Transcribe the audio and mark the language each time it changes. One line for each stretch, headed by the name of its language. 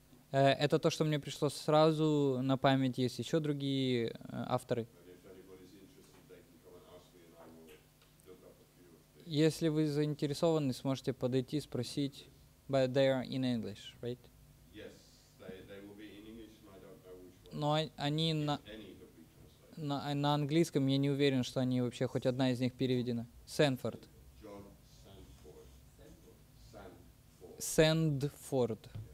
Russian: Это то, что мне пришло сразу на память. Есть еще другие авторы. Если вы заинтересованы, сможете подойти и спросить.
English: But they are in English, right? Yes, they will be in English, and I don't know which one.
Russian: Но они на английском, я не уверен, что они вообще хоть одна из них переведена. Санфорд. Сэндфорд.